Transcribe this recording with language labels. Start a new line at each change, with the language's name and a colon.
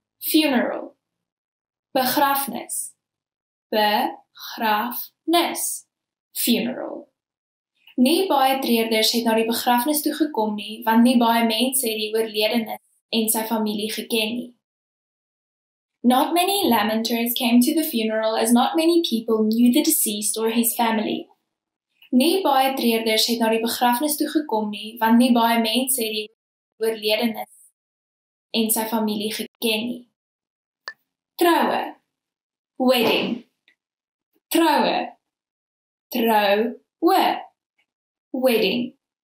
English: Funeral.
Afrikaans: Begrafnis. Begrafnis.
English: funeral.
Afrikaans: Nie baie treurders het na die begrafnis toe gekom nie, want nie baie mense het die oorledene en sy familie geken nie.
English: Not many lamenters came to the funeral as not many people knew the deceased or his family.
Afrikaans: Nie baie treurders het na die begrafnis toe gekom nie, want nie baie mense het die oorledene en sy familie geken nie. Troue. Wedding. Troue. Troue. Wedding.